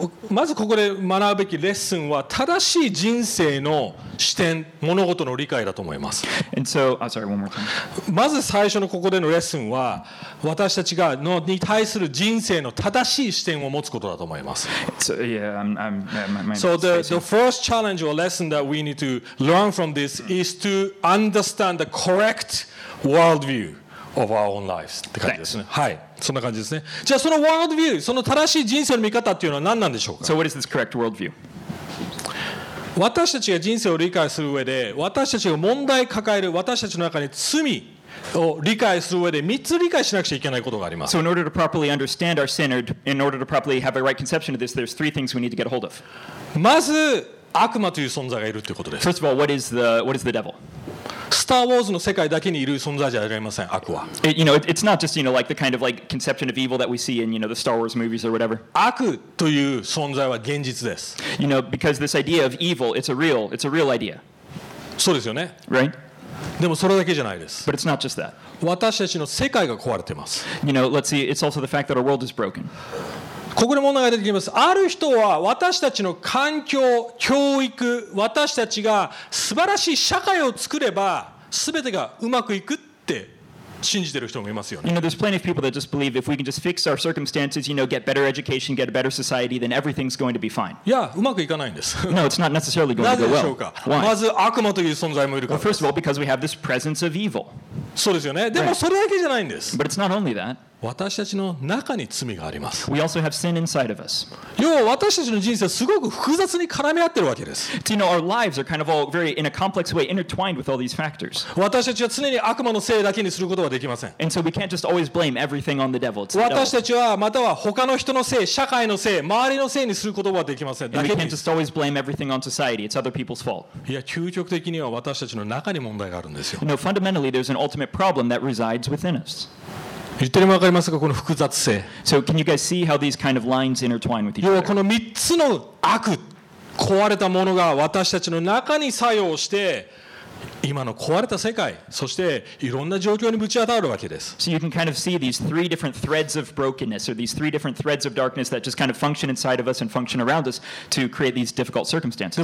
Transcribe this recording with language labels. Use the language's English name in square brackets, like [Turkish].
[Japanese] まずここで学ぶべきレッスンは正しい人生の視点、物事の理解だと思います。 [English] And so, sorry, one more time. [Japanese] まず最初のここでのレッスンは私たちがのに対する人生の正しい視点を持つことだと思います。 [English] So, yeah, so the first challenge or lesson that we need to learn from this is to understand the correct worldview. Of our own lives [Japanese] って感じですね。はい、そんな感じですね。じゃあそのワールドビュー、その正しい人生の見方っていうのは何なんでしょうか。 [English] So what is this correct worldview? [Japanese] 私たちが人生を理解する上で、私たちが問題抱える私たちの中に罪を理解する上で3つ理解しなくちゃいけないことがあります。 [English] So in order to properly understand our sin, or in order to properly have a right conception of this, there's three things we need to get a hold of. [Japanese] まず悪魔という存在がいるということです。 [English] First of all, what is the devil? [Japanese] スター・ウォーズの世界だけにいる存在じゃありません、悪は。 [English] You know, it's not just, you know, like the kind of like conception of evil that we see in, you know, the Star Wars movies or whatever. [Japanese] 悪という存在は現実です。 [English] You know, because this idea of evil, it's a real idea. [Japanese] そうですよね。 [English] Right? [Japanese] でもそれだけじゃないです。 [English] But it's not just that. [Japanese] 私たちの世界が壊れてます。 [English] You know, let's see, it's also the fact that our world is broken. [Japanese] ここで問題が出てきます。ある人は私たちの環境、教育、私たちが素晴らしい社会を作れば全てがうまくいくって信じてる人もいますよね。 [English] You know, there's plenty of people that just believe if we can just fix our circumstances, you know, get better education, get a better society, then everything's going to be fine. [Japanese] いや、うまくいかないんです。 [English] No, it's not necessarily going to go well. [Japanese] なぜでしょうか。まず悪魔という存在もいるからです。 [English] Well, first of all, because we have this presence of evil. [Japanese] そうですよね。でもそれだけじゃないんです。 [English] But it's not only that. [Japanese] 私たちの中に罪があります。 [English] We also have sin inside of us. [Japanese] 要は私たちの人生すごく複雑に絡み合ってるわけです。 [English] You know, our lives are kind of all very in a complex way intertwined with all these factors. [Japanese] 私たちは常に悪魔のせいだけにすることはできません。 [English] And so we can't just always blame everything on the devil. [Japanese] 私たちはまたは他の人のせい、社会のせい、周りのせいにすることはできません。 [English] We can't just always blame everything on society. It's other people's fault. [Japanese] いや、究極的には私たちの中に問題があるんですよ。 [English] No, fundamentally there's an ultimate problem that resides within us. [Japanese] 言ってるのも分かりますか、この複雑性。 [English] So can you guys see how these kind of lines intertwine with each other? [Japanese] 要はこの3つの悪、壊れたものが私たちの中に作用して、今の壊れた世界、そしていろんな状況にぶち当たるわけです。 [English] So you can kind of see these three different threads of brokenness, or these three different threads of darkness that just kind of function inside of us and function around us to create these difficult circumstances.